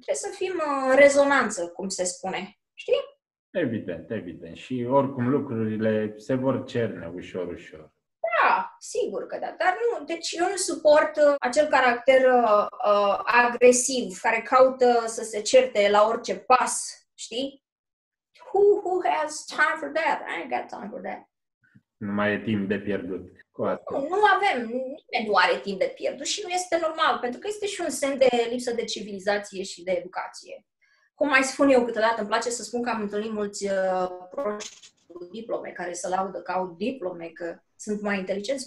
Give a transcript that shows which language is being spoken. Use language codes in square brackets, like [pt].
[ro] Trebuie să fim în rezonanță, cum se spune, știi? Evident. Și oricum lucrurile se vor cerne ușor, ușor. Da, sigur că da. Dar nu, deci eu nu suport acel caracter agresiv, care caută să se certe la orice pas, știi? [en] Who has time for that? I ain't got time for that. [ro] Nu mai e timp de pierdut. Nu avem, nimeni nu are timp de pierdut și nu este normal, pentru că este și un semn de lipsă de civilizație și de educație. Cum mai spun eu câteodată, îmi place să spun că am întâlnit mulți proști cu diplome, care se laudă că au diplome, că sunt mai inteligenți.